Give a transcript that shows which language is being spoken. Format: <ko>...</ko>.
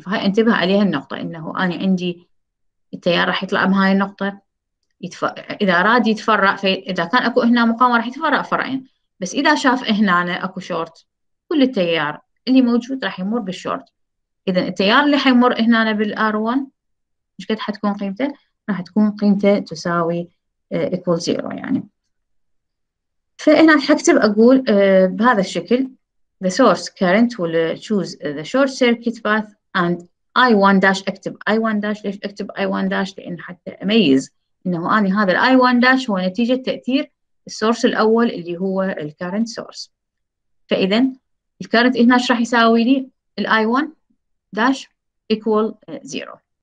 <ar>فهاي انتبه عليها النقطة، إنه أنا عندي التيار راح يطلع من هاي النقطة إذا أراد يتفرع، فإذا كان أكو هنا مقاومة راح يتفرع فرعين، بس إذا شاف هنا أكو شورت كل التيار اللي موجود راح يمر بالشورت. إذا التيار اللي حيمر هنا بالـ R1 مش قد حتكون قيمته؟ راح تكون قيمته تساوي equal zero. يعني فهنا حكتب أقول بهذا الشكل</ar> <en>the source current will choose the short circuit path and I1 dash.</en> <ar>أكتب</ar> <en>I1 dash.</en> <ar>ليش أكتب I1 dash؟ لأن حتى أميز إنه أنا هذا الـ I1 داش هو نتيجة تأثير السورس الأول اللي هو الـ current source. ف فإذا الكارنت هنا ايش راح يساوي لي؟ الـ I1 داش</ar> <en>equal 0.</en>